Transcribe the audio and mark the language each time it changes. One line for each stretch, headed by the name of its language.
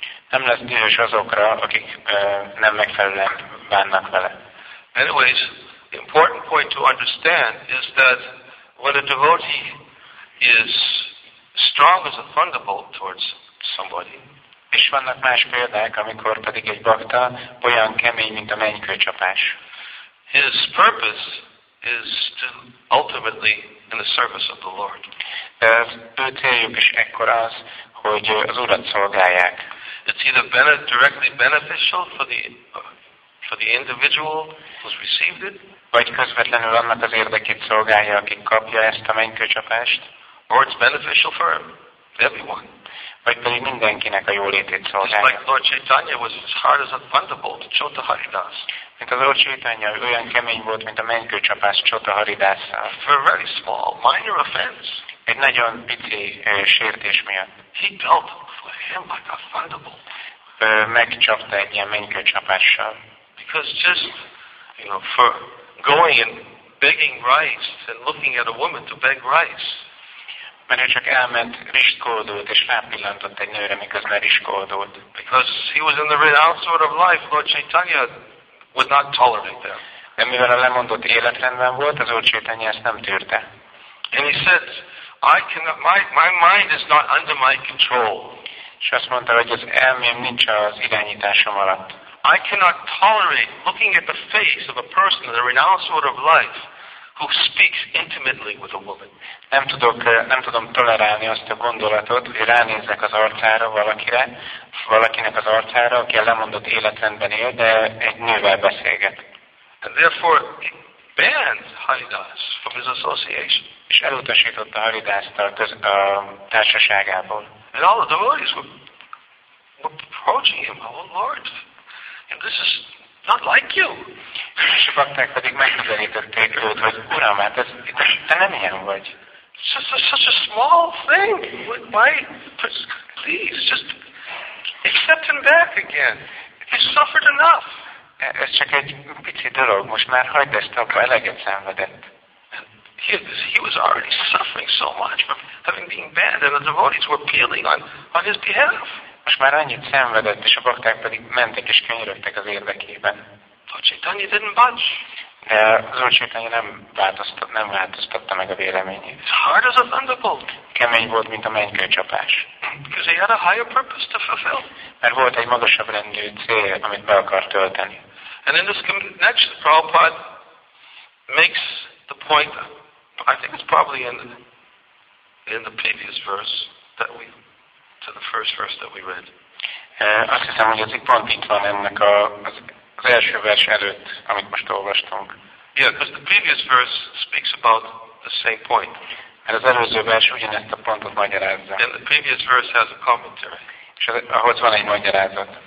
Hungarian: Nem lesz dühös azokra, akik nem megfelelően bánnak vele.
English: Anyways, the important point to understand is that when a devotee is strong as a thunderbolt towards somebody,
Hungarian: és vannak más példák, amikor pedig egy bakta olyan kemény, mint a mennykőcsapás.
English: His purpose is to ultimately in the service of the Lord.
Hungarian: Ő céljuk is ekkor az, hogy az Urat szolgálják.
English: It's either directly beneficial for the individual who's received it,
Hungarian: vagy közvetlenül annak az érdekét szolgálja, aki kapja ezt a mennykőcsapást,
English: or it's beneficial for everyone.
Hungarian: Vagy pedig mindenkinek a jólétét szolgálja.
English: Just like Lord Chaitanya was as hard as a thunderbolt, Chota Haridas.
Hungarian: Mint az Úr Chaitanya, olyan kemény volt, mint a mennykőcsapás Chota Haridasszal.
English: For a very small, minor offense.
Hungarian: Egy nagyon pici sértés miatt.
English: He dealt for him like a thunderbolt.
Hungarian: Megcsapta egy ilyen mennykőcsapással.
English: Because just, you know, for going and begging rice and looking at a woman to beg rice.
Hungarian: Mert ő csak elment rizskódót, és rápillantott egy nőre, miközben rizskódót.
English: Because he was in the renounced order of life, Lord Chaitanya would not tolerate that.
Hungarian: De mivel a lemondott életrendben volt, az Úr Chaitanya ezt nem tűrte.
English: And he said, I cannot, my mind is not under my control.
Hungarian: És azt mondta, hogy az elmém nincs az irányításom alatt.
English: I cannot tolerate looking at the face of a person in the renounced order of life who speaks intimately with a woman.
Hungarian: Nem tudom tolerálni azt a gondolatot, hogy ránézek az arcára valakinek az arcára, aki a lemondott életrendben él, de egy nővel beszélget.
English: And therefore he banned Haridas from his association.
Hungarian: És elutasította Haridast a társaságából.
English: And all the devotees were approaching him, oh Lord, and this is not like you.
Hungarian: És a bakták pedig megközelítették őt, hogy Uram, hát ez, te nem ilyen vagy.
English: Such a small thing. Why? Please, just accept him back again. He's suffered enough.
Hungarian: Ez csak egy pici dolog. Most már hagyd ezt abba, eleget szenvedett.
English: He was already suffering so much from having been banned, and the devotees were appealing on his behalf.
Hungarian: Most már annyit szenvedett, és a bakták pedig mentek és könyörögtek az érdekében.
English: Lord Chaitanya didn't budge.
Hungarian: De az Úr Chaitanya nem változtatta meg a véleményét.
English: It's hard as a thunderbolt.
Hungarian: Kemény volt, mint a mennykőcsapás.
English: Because he had a higher purpose to fulfill.
Hungarian: Mert volt egy magasabb rendű cél, amit be akart tölteni.
English: And in this connection, Prabhupada makes the point, I think it's probably in the previous verse that we, to the first verse that we read.
Hungarian: Azt hiszem, hogy az itt pont itt van ennek az első vers előtt, amit most olvastunk.
English: Yeah, because the previous verse speaks about the same point.
Hungarian: Mert az előző vers ugyanezt a pontot magyarázza.
English: And the previous verse has a commentary.
Hungarian: És ahhoz van egy magyarázat.